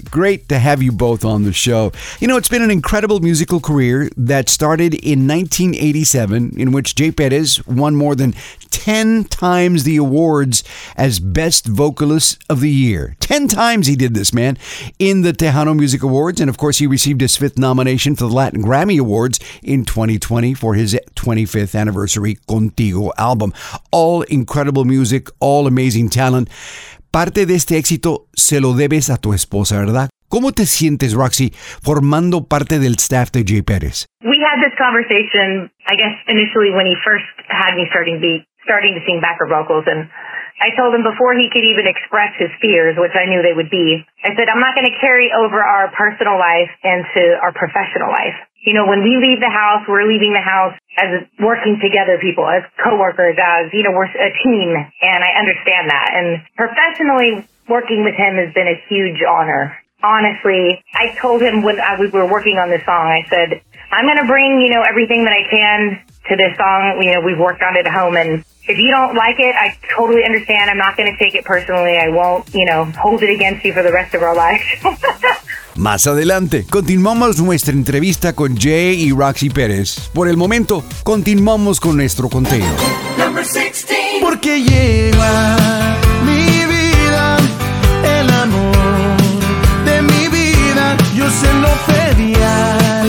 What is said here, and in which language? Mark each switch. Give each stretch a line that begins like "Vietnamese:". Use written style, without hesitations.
English: Great to have you both on the show. You know, it's been an incredible musical career that started in 1987, in which Jay Perez won more than 10 times the awards as Best Vocalist of the Year. 10 times he did this, man, in the Tejano Music Awards. And of course, he received his 5th nomination for the Latin Grammy Awards in 2020 for his 25th anniversary Contigo album. All incredible music, all amazing talent.
Spanish: Parte de este éxito se lo debes a tu esposa, ¿verdad? ¿Cómo te sientes, Roxy, formando parte del staff de Jay Perez?
English: We had this conversation, I guess, initially when he first had me starting to sing backup vocals. And I told him before he could even express his fears, which I knew they would be, I said, I'm not going to carry over our personal life into our professional life. You know, when we leave the house, we're leaving the house as working together people, as coworkers, as, you know, we're a team. And I understand that. And professionally, working with him has been a huge honor. Honestly, I told him when we were working on this song, I said, I'm going to bring, you know, everything that I can to this song. You know, we've worked on it at home. And if you don't like it, I totally understand. I'm not going to take it personally. I won't, you know, hold it against you for the rest of our lives.
Spanish: Más adelante, continuamos nuestra entrevista con Jay y Roxy Perez. Por el momento, continuamos con nuestro conteo.
English: Number 16.
Spanish: Porque llega mi vida, el amor de mi vida, yo se lo pedía.